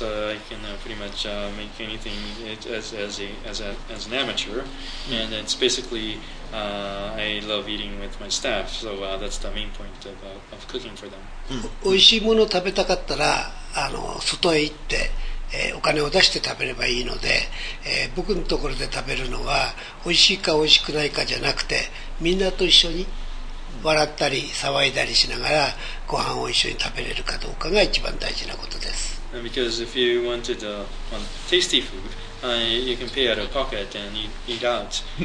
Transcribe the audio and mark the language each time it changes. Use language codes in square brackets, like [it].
[en] I can pretty much make anything as an amateur, and it's basically I love eating with my staff. So that's the main point of cooking for them. [ja] 美味しいものを食べたかったら外へ行って、お金を出して食べればいいので、僕のところで食べるのは美味しいか美味しくないかじゃなくて、みんなと一緒に笑ったり騒いだりしながらご飯を一緒に食べれるかどうかが一番大事なことです。 [en] Because if you wanted tasty food, you can pay out of pocket and eat out.